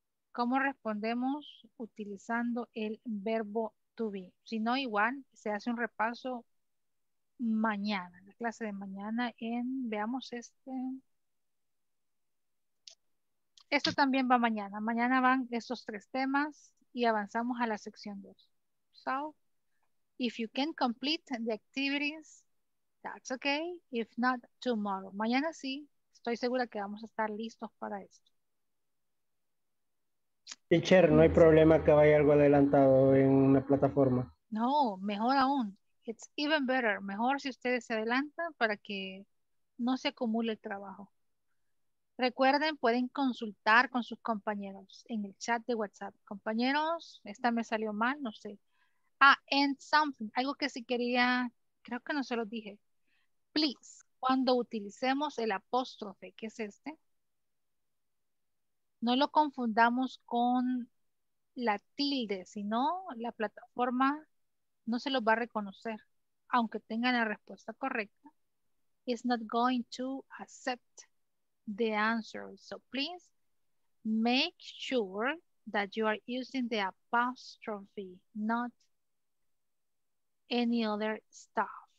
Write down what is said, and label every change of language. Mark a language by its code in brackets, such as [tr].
[es] ¿Cómo respondemos utilizando el verbo to be? Si no, igual se hace un repaso. Mañana, la clase de mañana en, veamos este, Esto también va mañana. Mañana van estos tres temas y avanzamos a la sección 2. [en] So, if you can complete the activities, that's okay. If not, tomorrow. [es] Mañana sí. Estoy segura que vamos a estar listos para esto. Teacher, no hay problema que vaya algo adelantado en una plataforma. No, mejor aún. [en] It's even better. [es] Mejor si ustedes se adelantan para que no se acumule el trabajo. Recuerden, pueden consultar con sus compañeros en el chat de WhatsApp. Compañeros, esta me salió mal, no sé. Ah, [en] and something, [es] algo que sí quería, creo que no se lo dije. Please, cuando utilicemos el apóstrofe, que es este, no lo confundamos con la tilde, sino la plataforma no se los va a reconocer, aunque tengan la respuesta correcta. [en] It's not going to accept the answer. So please make sure that you are using the apostrophe, not any other stuff.